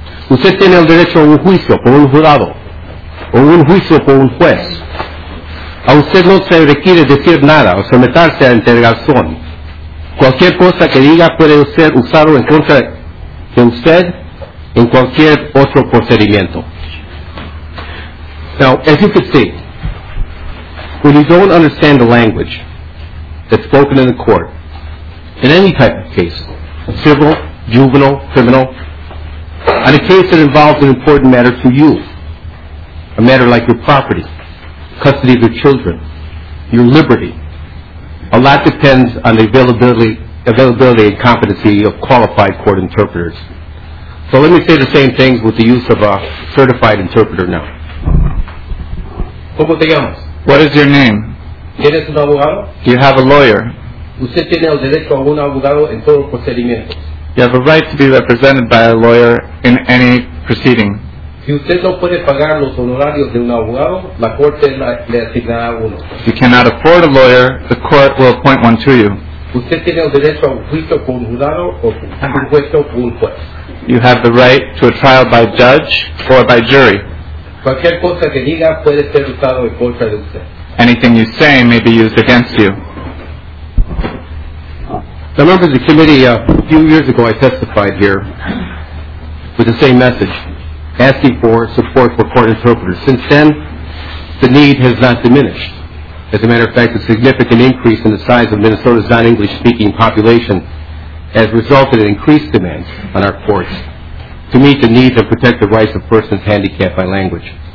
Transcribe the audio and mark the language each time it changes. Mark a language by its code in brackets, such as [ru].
[es] Usted tiene el derecho a un juicio por un jurado o un juicio por un juez. A usted no se requiere decir nada o someterse a interrogación. Cualquier cosa que diga puede ser usado en contra de usted en cualquier otro procedimiento. [en] Now, as you can see, when you don't understand the language that's spoken in the court, in any type of case, civil, juvenile, criminal, on a case that involves an important matter to you, a matter like your property, custody of your children, your liberty, a lot depends on the availability and competency of qualified court interpreters. So let me say the same thing with the use of a certified interpreter now. [es] ¿Cómo te llamas? [en] What is your name? [es] ¿Tienes un abogado? [en] Do you have a lawyer? [es] Usted tiene el derecho a un abogado en todos los procedimientos. [en] You have a right to be represented by a lawyer in any proceeding. [es] Si usted no puede pagar los honorarios de un abogado, la corte le asignará uno. [en] If you cannot afford a lawyer, the court will appoint one to you. [es] Usted tiene el derecho a un juicio por un jurado o un juicio por un juez. [en] You have the right to a trial by judge or by jury. [es] Cualquier cosa que diga puede ser usado en contra de usted. [en] Anything you say may be used against you. The members of the committee, a few years ago, I testified here with the same message, asking for support for court interpreters. Since then, the need has not diminished. As a matter of fact, a significant increase in the size of Minnesota's non-English speaking population has resulted in increased demands on our courts to meet the needs and protect the rights of persons handicapped by language.